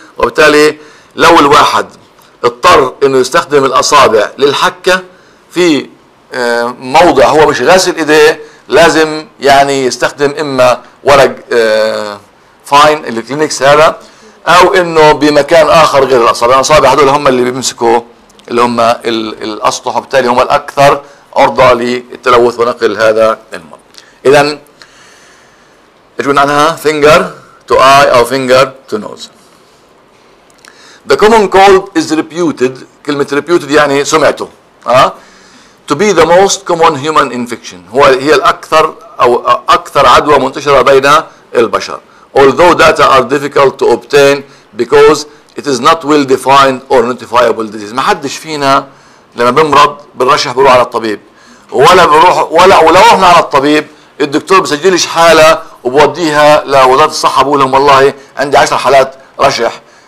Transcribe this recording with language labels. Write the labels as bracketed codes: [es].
[ar] وبالتالي لو الواحد اضطر انه يستخدم الاصابع للحكه في موضع هو مش غاسل ايديه لازم يعني يستخدم اما ورق فاين الكلينكس هذا، او انه بمكان اخر غير الاصابع. الاصابع هذول هم اللي بيمسكوا اللي هم الاسطح، وبالتالي هم الاكثر عرضه للتلوث ونقل هذا المرض. اذا اجونا عنها finger to eye او finger to nose. [en] The common cold is reputed، كلمة reputed يعني سمعته، to be the most common human infection، هي الأكثر أو أكثر عدوى منتشرة بين البشر. [ar] Although data are difficult to obtain because it is not well defined or notifiable disease. ما حدش فينا لما بمرض بنرشح بروح على الطبيب، ولا بروح ولو احنا على الطبيب الدكتور بسجلش حالة وبوديها لوزارة الصحة بقول لهم والله عندي 10 حالات رشح.